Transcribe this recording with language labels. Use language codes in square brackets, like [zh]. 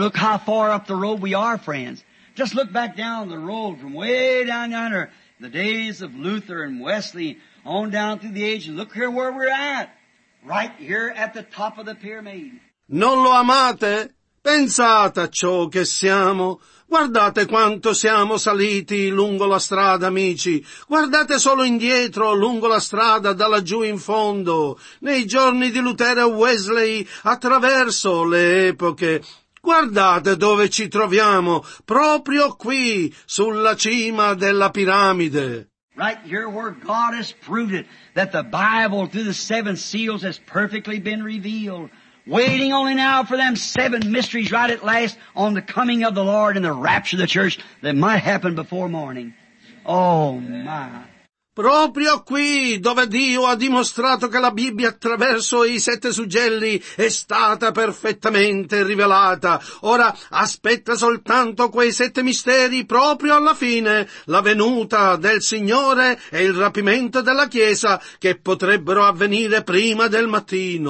[en] Look how far up the road we are, friends. Just look back down the road from way down yonder, the days of Luther and Wesley, on down through the ages. Look here where we're at. Right here at the top of the pyramid. [it] Non lo amate? Pensate a ciò che siamo. Guardate quanto siamo saliti lungo la strada, amici. Guardate solo indietro, lungo la strada, da laggiù in fondo. Nei giorni di Lutero e Wesley, attraverso le epoche. Guardate dove ci troviamo, proprio qui, sulla cima della piramide. [en] Right here where God has proved it, that the Bible through the seven seals has perfectly been revealed. Waiting only now for them seven mysteries right at last on the coming of the Lord and the rapture of the church that might happen before morning. Oh my. [it] Proprio qui dove Dio ha dimostrato che la Bibbia attraverso i sette suggelli è stata perfettamente rivelata. Ora aspetta soltanto quei sette misteri proprio alla fine, la venuta del Signore e il rapimento della Chiesa che potrebbero avvenire prima del mattino.